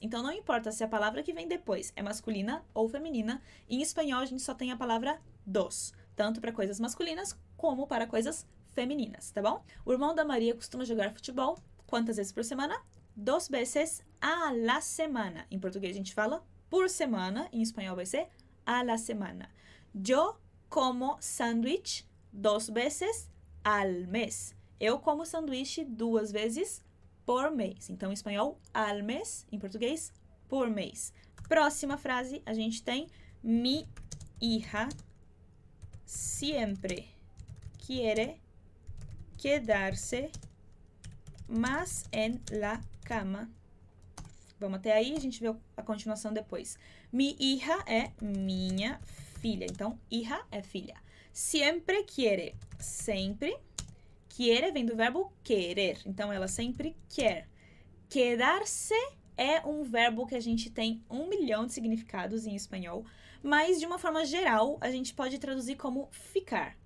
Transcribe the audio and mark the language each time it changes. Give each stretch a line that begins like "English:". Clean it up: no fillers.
Portuguese: Então, não importa se a palavra que vem depois é masculina ou feminina, em espanhol a gente só tem a palavra dos, tanto para coisas masculinas como para coisas femininas, tá bom? O irmão da Maria costuma jogar futebol quantas vezes por semana?
Spanish: Dos veces a la semana.
Portuguese: Em português a gente fala por semana, em espanhol vai ser a la semana.
Spanish: Yo como sándwich dos veces al mes.
Portuguese: Eu como sanduíche duas vezes por mês. Então, em espanhol, al mês, em português, por mês. Próxima frase, a gente tem:
Spanish: Mi hija siempre quiere quedarse más en la cama.
Portuguese: Vamos até aí, a gente vê a continuação depois. Mi hija é minha filha. Então, hija é filha. Siempre quiere, sempre. Quiere vem do verbo querer. Então, ela sempre quer. Quedarse é um verbo que a gente tem um milhão de significados em espanhol, mas de uma forma geral, a gente pode traduzir como ficar.